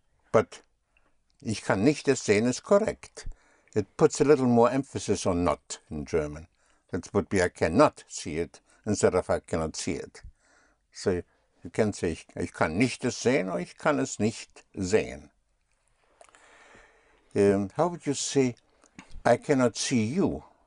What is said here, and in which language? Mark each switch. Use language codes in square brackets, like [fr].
[en] But [de] ich kann nicht es sehen [en] is correct. It puts a little more emphasis on not in German. That would be I cannot see it instead of I cannot see it. So you can say [de] ich kann nicht es sehen [en] or [de] ich kann es nicht sehen. [en] How would you say I cannot see you?